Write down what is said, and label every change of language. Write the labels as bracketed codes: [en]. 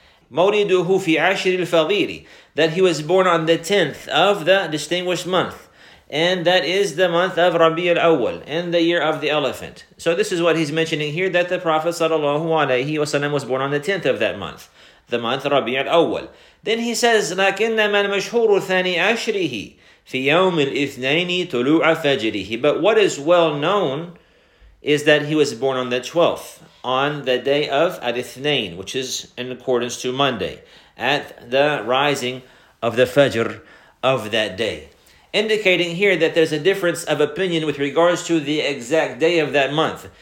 [ar] مَوْلِدُهُ فِي عَشْرِ الْفَضِيلِ, [en] that he was born on the 10th of the distinguished month, and that is the month of Rabi al-Awwal, in the year of the elephant. So this is what he's mentioning here, that the Prophet sallallahu alayhi wa sallam was born on the 10th of that month, the month Rabi al-Awwal. Then he says, [ar] لَكِنَّ مَنْ مَشْهُورُ ثَانِي أَشْرِهِ فِي يَوْمِ الْإِثْنَيْنِ تُلُوعَ فَجْرِهِ. [en] But what is well known is that he was born on the 12th, on the day of Al-Ithnain, which is in accordance to Monday, at the rising of the Fajr of that day. Indicating here that there's a difference of opinion with regards to the exact day of that month.